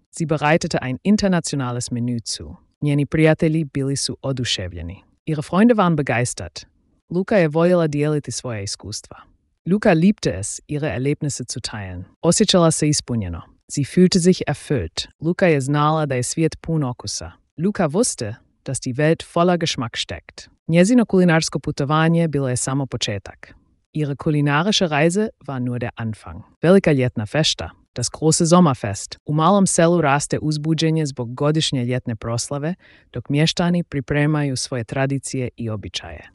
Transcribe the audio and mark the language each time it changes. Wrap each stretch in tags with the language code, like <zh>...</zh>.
<de>Sie bereitete ein internationales Menü zu.</de> <hr>Njeni prijatelji bili su oduševljeni.</hr> <de>Ihre Freunde waren begeistert.</de> <hr>Luka je voljela dijeliti svoje iskustva.</hr> <de>Luka liebte es, ihre Erlebnisse zu teilen.</de> <hr>Osjećala se ispunjeno.</hr> <de>Sie fühlte sich erfüllt.</de> <hr>Luka je znala da je svijet pun okusa.</hr> <de>Luka wusste, dass die Welt voller Geschmack steckt.</de> <hr>Njezino kulinarsko putovanje bilo je samo početak.</hr> <de>Ihre kulinarische Reise war nur der Anfang.</de> <hr>Velika ljetna fešta.</hr> <de>das große Sommerfest.</de> <hr>U malom selu raste uzbuđenje zbog godišnje ljetne proslave, dok mještani pripremaju svoje tradicije i običaje.</hr>